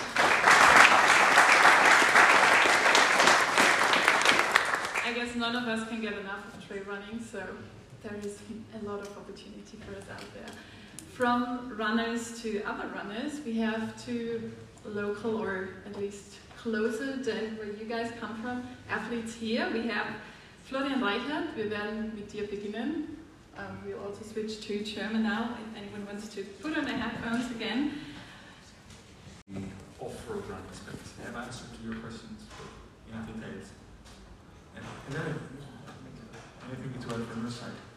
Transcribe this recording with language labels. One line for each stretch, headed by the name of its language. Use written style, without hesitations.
English: I guess none of us can get enough of trail running, so there is a lot of opportunity for us out there. From runners to other runners, we have two local, or at least closer than where you guys come from, athletes here. We have
German: Florian Reichert, wir werden mit dir beginnen.
English: We'll also switch to German now, if anyone wants to put on their headphones again. Off-road runners, but have answered to your questions in details. And then, anything to add from your side?